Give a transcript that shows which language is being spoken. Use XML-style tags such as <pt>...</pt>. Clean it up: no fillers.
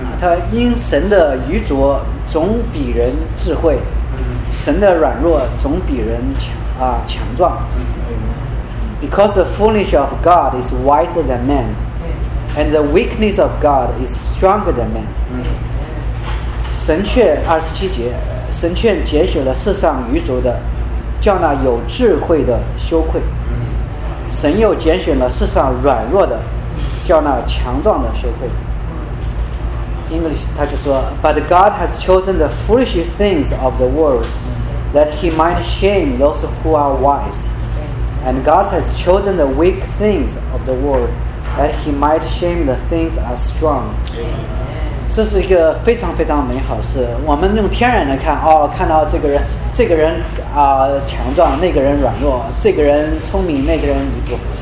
<zh>他因神的愚拙总比人智慧，神的软弱总比人强壮。</zh> <en>Because the foolish of God is wiser than man, and the weakness of God is stronger than man.</en> <zh>神却二十七节，神却拣选了世上愚拙的，叫那有智慧的羞愧。神又拣选了世上软弱的，叫那强壮的羞愧。</zh> <en>English</en> <zh>他就说</zh> <en>But God has chosen the foolish things of the world that he might shame those who are wise. And God has chosen the weak things of the world that he might shame the things that are strong.</en> <zh>这是一个非常非常美好的事。我们用天然的看，哦，看到这个人，这个人啊，强壮，那个人软弱，这个人聪明，那个人愚拙。</zh>